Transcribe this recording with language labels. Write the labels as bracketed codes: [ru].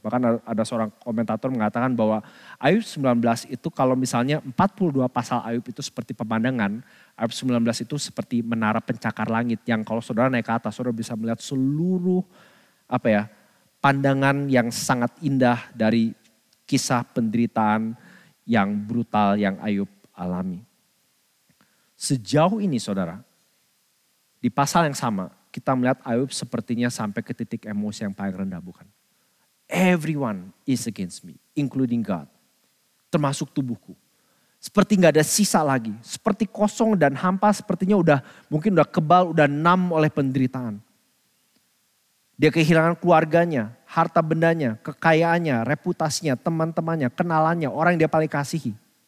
[id] Bahkan ada seorang komentator mengatakan bahwa Ayub 19 itu kalau misalnya 42 pasal Ayub itu seperti pemandangan, Ayub 19 itu seperti menara pencakar langit yang kalau saudara naik ke atas, saudara bisa melihat seluruh apa ya pandangan yang sangat indah dari kisah penderitaan yang brutal yang Ayub alami. Sejauh ini saudara, di pasal yang sama, kita melihat Ayub sepertinya sampai ke titik emosi yang paling rendah, bukan? [en] Everyone is against me, including God. [id] Termasuk tubuhku. Seperti gak ada sisa lagi. Seperti kosong dan hampa, sepertinya udah mungkin udah kebal, udah numb oleh penderitaan. Dia kehilangan keluarganya, harta bendanya, kekayaannya, reputasinya, teman-temannya, kenalannya, orang yang dia paling kasihi.